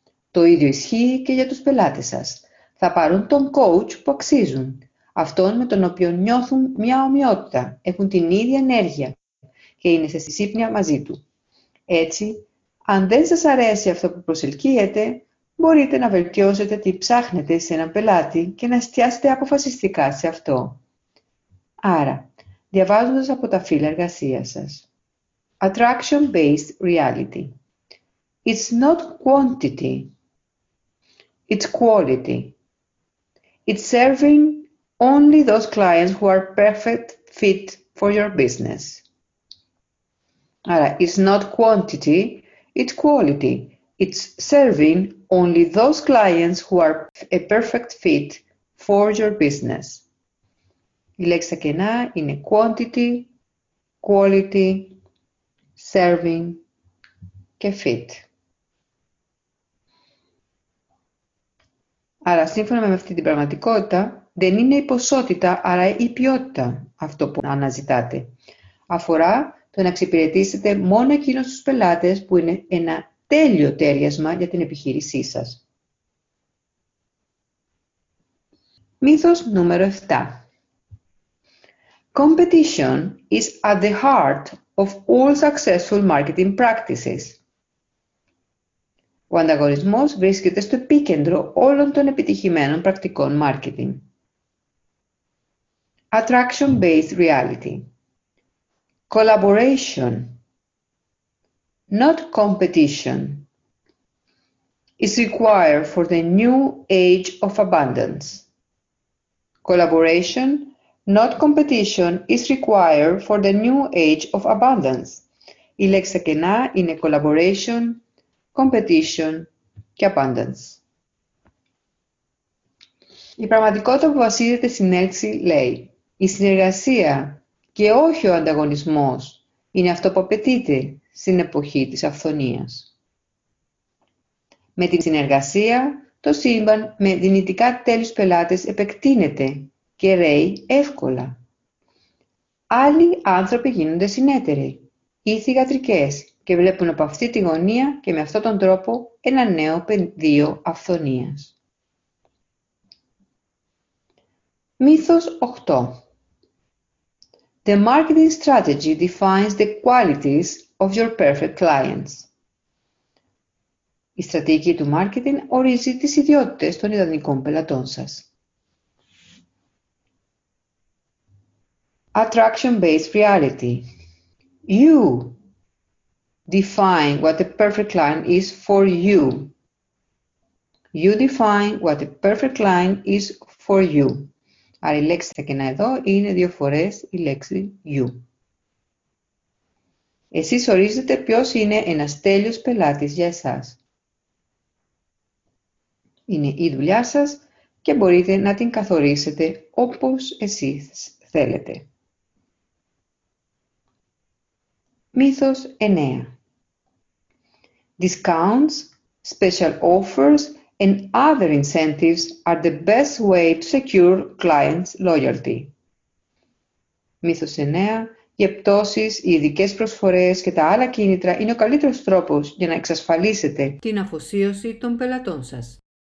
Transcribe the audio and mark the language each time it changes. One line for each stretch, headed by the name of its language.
Greek: Το ίδιο ισχύει και για τους πελάτες σας. Θα πάρουν τον coach που αξίζουν, αυτόν με τον οποίο νιώθουν μια ομοιότητα, έχουν την ίδια ενέργεια και είναι σε συσύπνια μαζί του. Έτσι, αν δεν σας αρέσει αυτό που προσελκύετε, μπορείτε να βελτιώσετε τι ψάχνετε σε έναν πελάτη και να εστιάσετε αποφασιστικά σε αυτό. Άρα, διαβάζοντας από τα φύλλα εργασίας σας.
English: Attraction-based reality. It's not quantity. It's quality. It's serving only those clients who are perfect fit for your business. Άρα, it's not quantity, it's quality. It's serving only those clients who are a perfect fit for your business.
Greek: Η λέξη κενά είναι quantity, quality, serving και fit. Άρα, σύμφωνα με αυτή την πραγματικότητα, δεν είναι η ποσότητα, αλλά η ποιότητα αυτό που αναζητάτε. Αφορά το να εξυπηρετήσετε μόνο εκείνους τους πελάτες που είναι ένα τέλειο τέριασμα για την επιχείρησή σας. Μύθος νούμερο 7.
English: Competition is at the heart of all successful marketing practices.
Greek: Ο ανταγωνισμός βρίσκεται στο επίκεντρο όλων των επιτυχημένων πρακτικών marketing.
English: Attraction-based reality. Collaboration, not competition, is required for the new age of abundance. Collaboration, not competition, is required for the new age of abundance.
Greek: Η λέξη κενά είναι collaboration, competition και abundance. Η πραγματικότητα που βασίζεται στην έλξη λέει η συνεργασία και όχι ο ανταγωνισμός είναι αυτό που απαιτείται στην εποχή της αυθονίας. Με τη συνεργασία, το σύμπαν με δυνητικά τέλους πελάτες επεκτείνεται και ρέει εύκολα. Άλλοι άνθρωποι γίνονται συνέτεροι ή θυγατρικές και βλέπουν από αυτή τη γωνία και με αυτόν τον τρόπο ένα νέο πεδίο αυθονίας. Μύθος 8.
English: The marketing strategy defines the qualities of your perfect clients.
Greek: Η στρατηγική του marketing ορίζει τις ιδιότητες των ιδανικών πελατών σας.
English: Attraction-based reality. You define what a perfect client is for you. You define what a perfect client is for you.
Greek: Άρα η λέξη θα κενά εδώ είναι δύο φορές η λέξη you. Εσείς ορίζετε ποιος είναι ένας τέλειος πελάτης για εσάς. Είναι η δουλειά σας και μπορείτε να την καθορίσετε όπως εσείς θέλετε. Μύθος 9.
English: Discounts, special offers and other incentives are the best way to secure clients' loyalty.
Greek: Μύθος 9. Οι πτώσεις, οι ειδικές προσφορές και τα άλλα κίνητρα είναι ο καλύτερος τρόπος για να εξασφαλίσετε την αφοσίωση των πελατών σας.